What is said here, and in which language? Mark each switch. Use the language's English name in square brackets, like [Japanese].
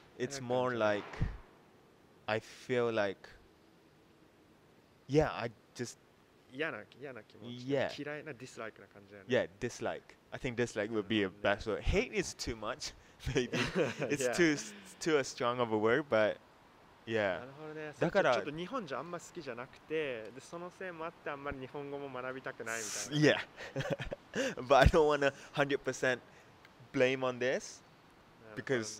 [English] It's more like, I feel like, yeah, I just... [Japanese] 嫌な気持ち [English] yeah. [Japanese] 嫌いな dislike な感じだよね [English] yeah dislike I think dislike would be a best word hate is too much maybe it's yeah. too a strong of a word but yeah [Japanese] なるほどねだからちょっと日本じゃあんま好きじゃなくてでそのせいもあってあんまり日本語も学びたくないみたいな [English] yeah but I don't want to 100% blame on this because、